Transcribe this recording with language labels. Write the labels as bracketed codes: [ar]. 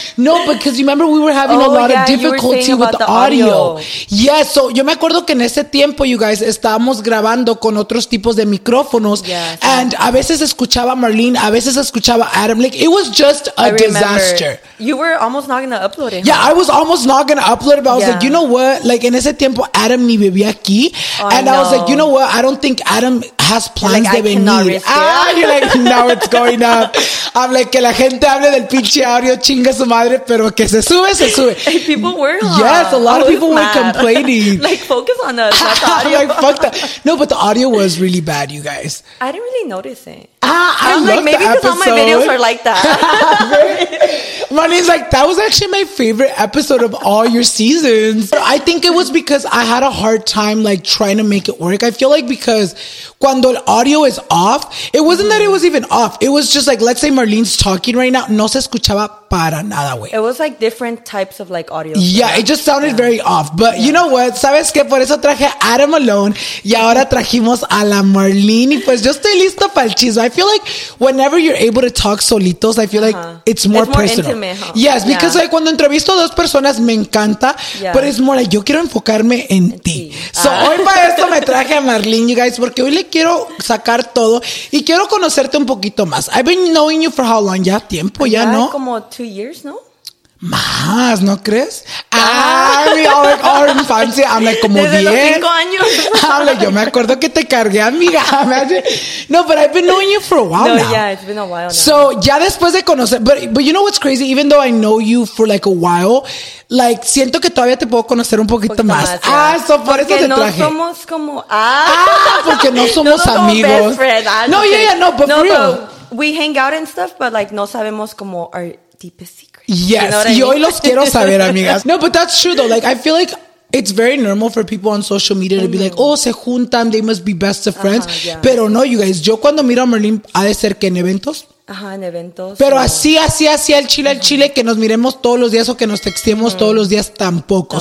[en] No, because remember we were having a lot of difficulty with the audio. Yes, yeah, so [es] yo me acuerdo que en ese tiempo, [en] you guys, [es] estábamos grabando con otros tipos de micrófonos. [en] Yes. [es] And a veces escuchaba Marlene, a veces escuchaba Adam. [en] Like, it was just a disaster. You were almost not going to upload it. Huh? Yeah, I was almost not going to upload it, but I was like, you know what? [es] Like, en ese tiempo, Adam ni vivía aquí. [en] I was like, you know what? I don't think Adam has plans like, [es] de venir. Ah, [en] you're like, now it's going up. I'm like, [es] que la gente hable del pinche audio, chinga su madre, pero que se sube, se sube. [en] And people were like, yes, a lot of people were complaining. Like, focus on us. I'm like, fuck that. No, but the audio was really bad, you guys. I didn't really notice it. I'm like, maybe because all my videos are like that. Marlene's like, that was actually my favorite episode of all your seasons. But I think it was because I had a hard time like trying to make it work. I feel like because [es] cuando el [en] audio is off, it wasn't that it was even off. It was just like, let's say Marlene's talking right now. [es] No se escuchaba para nada, güey. [en] It was like different types of like audio. Yeah, it just sounded very off. But you know what? [es] Sabes que por eso traje Adam alone y ahora trajimos a la Marlene. Y pues yo estoy listo para el chisme. [en] I feel like whenever you're able to talk solitos, I feel like it's more personal. Intimate, huh? Yes, because like [es] cuando entrevisto a dos personas, me encanta, [en] but it's more like [es] yo quiero enfocarme en ti. So hoy para esto me traje a Marlene, [en] you guys, [es] porque hoy le quiero sacar todo y quiero conocerte un poquito más. [en] I've been knowing you for how long? [es] Ya tiempo, ya, ¿no? Como [en] 2 years, [es] ¿no? Más, ¿no crees? Ah, mira, infancia. Habla como 5 años. Habla, yo me acuerdo que te cargué, amiga. [en] No, but I've been knowing you for a while now. Yeah, it's been a while now. So, [es] ya después de conocer, [en] but you know what's crazy? Even though I know you for like a while, like, [es] siento que todavía te puedo conocer un poquito más. Ah, so por eso te traje. Porque no somos como, ah. Porque no somos amigos. No, yeah, no, [en] but for real. We hang out and stuff, but like, [es] no sabemos como [en] our deepest secrets. [es] Yes, y hoy los quiero saber, amigas. [en] No, but that's true though. Like, I feel like it's very normal for people on social media to be like, oh, [es] se juntan, [en] they must be best of friends. [es] Pero no, [en] you guys, [es] yo cuando miro a Merlin, ha de ser que en eventos. En eventos. Pero así, al chile, al chile, que nos miremos todos los días o que nos textemos todos los días, tampoco.